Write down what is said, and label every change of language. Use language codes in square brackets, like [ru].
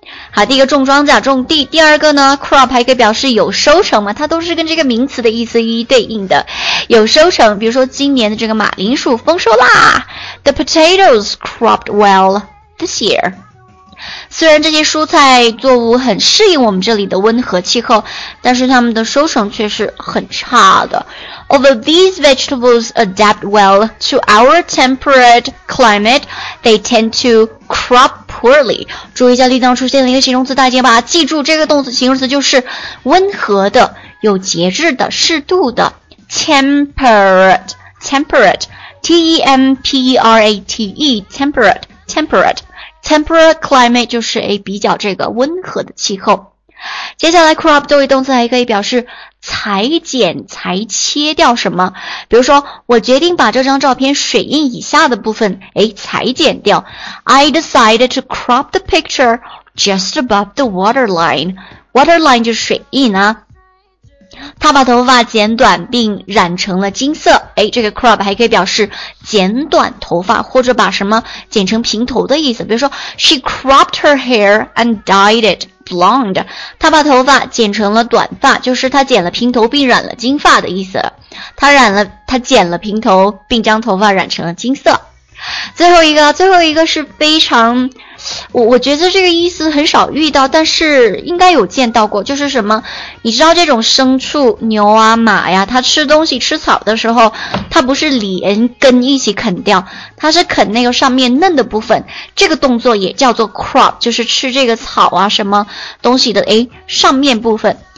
[zh] 好，第一个种庄稼、种地，第二个呢 ，crop 还可以表示有收成嘛，它都是跟这个名词的意思一一对应的，有收成。比如说今年的这个马铃薯丰收啦 ， [en] the potatoes cropped well this year. [zh] 虽然这些蔬菜作物很适应我们这里的温和气候，但是它们的收成却是很差的。 [en] Although these vegetables adapt well to our temperate climate, they tend to crop poorly. [zh] 注意一下例当出现了一个形容词，大家把它记住，这个动词形容词就是温和的、有节制的、适度的。 [en] Temperate, T-E-M-P-E-R-A-T-E, temperate, temperate.Temperate climate [zh] 就是比较这个温和的气候。接下来 crop 作为动词还可以表示裁剪、裁切掉什么。比如说，我决定把这张照片水印以下的部分，裁剪掉。 [en] I decided to crop the picture just above the waterline. [zh] Waterline 就是水印啊。他把头发剪短并染成了金色，这个 crop 还可以表示剪短头发，或者把什么剪成平头的意思。比如说 [en] She cropped her hair and dyed it blonde. [zh] 她把头发剪成了短发，就是她剪了平头并染了金发的意思。她剪了平头并将头发染成了金色。最后一个是非常我觉得这个意思很少遇到，但是应该有见到过，就是什么，你知道这种牲畜，牛啊马呀，它吃东西吃草的时候，它不是连根一起啃掉，它是啃那个上面嫩的部分，这个动作也叫做 crop, 就是吃这个草啊什么东西的上面部分。